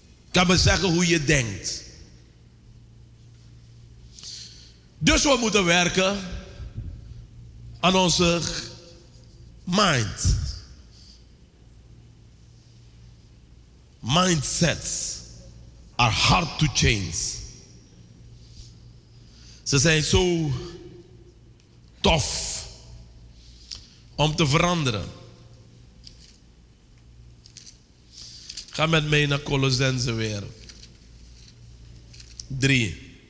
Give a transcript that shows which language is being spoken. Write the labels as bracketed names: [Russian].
[Dutch] Kan me zeggen hoe je denkt. Dus we moeten werken aan onze mind. [English] Mindsets are hard to change. [Dutch] Ze zijn zo tof om te veranderen. Ga met mij naar Colossenzen weer. 3.